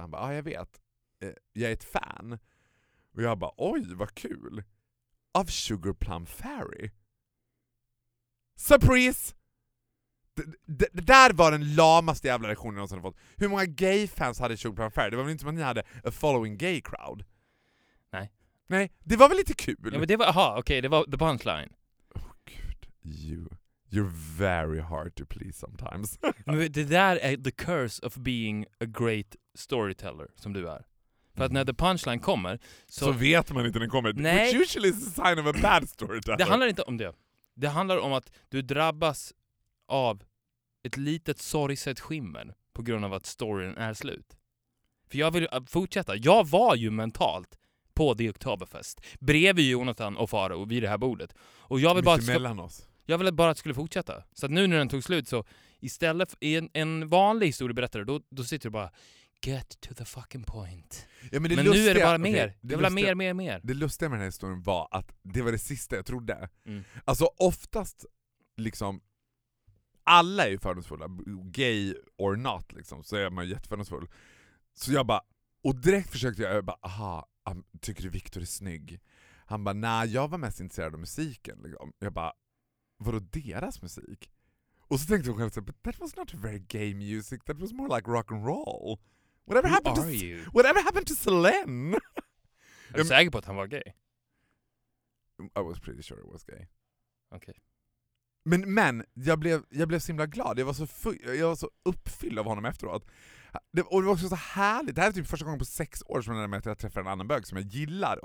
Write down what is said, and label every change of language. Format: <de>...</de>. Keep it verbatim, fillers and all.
<sv>Han bara, ja ah, jag vet, eh, jag är ett fan. Och jag bara, oj vad kul. Av Sugar Plum Fairy. Surprise! Det där var den lamaste jävla reaktionen jag någonsin har fått. Hur många gay-fans hade Sugar Plum Fairy? Det var väl inte som att ni hade</sv> <en>a following gay crowd?</en> <sv>Nej. Nej, det var väl lite kul? Ja, men det var, aha, okej, okay, det var</sv> <en>the punchline.</en> <sv>Åh oh, gud,</sv> <en>you, you're very hard to please sometimes.</en> <sv>Men det där är</sv> <en>the curse of being a great storyteller,</en> <sv>som du är. För att när</sv> <en>the punchline</en> <sv>kommer... Så, så vet man inte när den kommer. Nej.</sv> <en>Which usually is a sign of a bad storyteller.</en> <sv>Det handlar inte om det. Det handlar om att du drabbas av ett litet sorgset skimmer på grund av att storyn är slut. För jag vill fortsätta. Jag var ju mentalt på The Oktoberfest bredvid Jonathan och Farao vid det här bordet. Och jag vill bara mitt emellan oss. Jag ville bara att det skulle fortsätta. Så att nu när den tog slut så istället för en, en vanlig historieberättare då, då sitter du bara</sv> <en>get to the fucking point.</en> <sv>Ja, men det men lustiga, nu är det bara mer. Okay, det jag vill ha mer, mer, mer. Det lustiga med den här historien var att det var det sista jag trodde. Mm. Alltså oftast liksom alla är ju fördomsfulla,</sv> <en>gay or not</en> <sv>liksom, så är man ju jättefördomsfull. Så jag bara, och direkt försökte jag, jag bara, aha, tycker du Victor är snygg? Han bara, nej jag var mest intresserad av musiken liksom. Jag bara, vadå deras musik? Och så tänkte jag själv så,</sv> <en>but that was not very gay music, that was more like rock and roll. Whatever, happened to, whatever happened to Selene?</en> <sv>Är du säker på att han var gay?</sv> <en>I was pretty sure it was gay.</en> <sv>Okej. Okay. Men, men jag, blev, jag blev så himla glad. Jag var så, full, jag var så uppfylld av honom efteråt. Det, och det var också så härligt. Det här är typ första gången på sex år som jag, jag träffar en annan bög som jag gillar.</sv>